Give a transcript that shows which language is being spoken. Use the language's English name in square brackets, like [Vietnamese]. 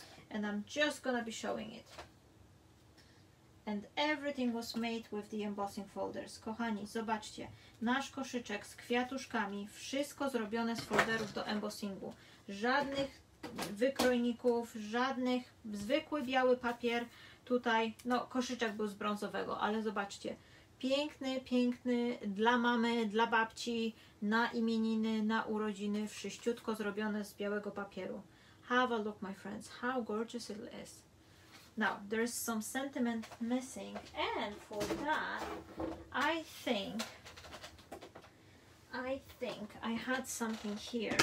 [English] And I'm just gonna be showing it. And everything was made with the embossing folders. [Polish] Kochani, zobaczcie. Nasz koszyczek z kwiatuszkami, wszystko zrobione z folderów do embossingu. Żadnych wykrojników, żadnych, zwykły biały papier. Tutaj, no koszyczek był z brązowego, ale zobaczcie. Piękny, piękny, dla mamy, dla babci, na imieniny, na urodziny, wszyściutko zrobione z białego papieru. [English] Have a look, my friends, how gorgeous it is. Now, there's some sentiment missing, and for that, I think I had something here.